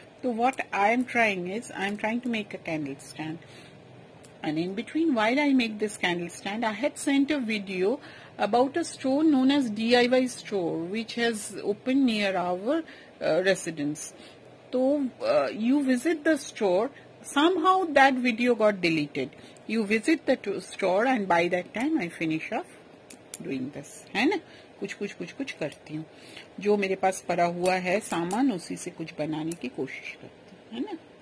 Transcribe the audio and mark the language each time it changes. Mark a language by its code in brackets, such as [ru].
[en] তো what I am trying is I am trying to make a candle stand, and in between while I make this candle stand I had sent a video about a store known as DIY store which has opened near our residence, so you visit the store Somehow that video got deleted. You visit the store and by that time I finish off doing this. [hi] है ना? कुछ कुछ कुछ कुछ करती हूँ. जो मेरे पास पड़ा हुआ है सामान उसी से कुछ बनाने की कोशिश करती हूँ. है ना?